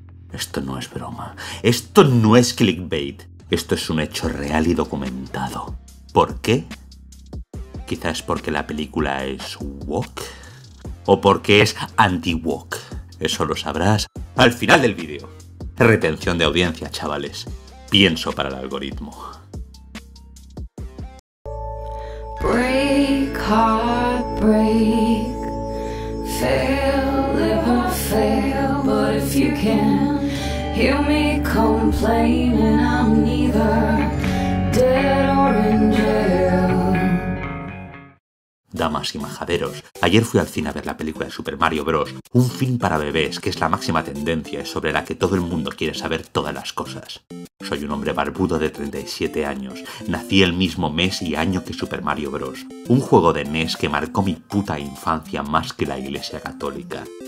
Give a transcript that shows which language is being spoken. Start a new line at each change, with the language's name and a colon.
Spanish: Esto no es broma. Esto no es clickbait. Esto es un hecho real y documentado. ¿Por qué? Quizás porque la película es woke. ¿O porque es anti-woke? Eso lo sabrás al final del vídeo. Retención de audiencia, chavales. Pienso para el algoritmo.
English: Break, heartbreak, fail, live or fail, but if you can hear me complaining, I'm neither dead or in jail.
Spanish: Damas y majaderos, ayer fui al cine a ver la película de Super Mario Bros., un film para bebés que es la máxima tendencia y sobre la que todo el mundo quiere saber todas las cosas. Soy un hombre barbudo de 37 años, nací el mismo mes y año que Super Mario Bros., un juego de NES que marcó mi puta infancia más que la Iglesia Católica.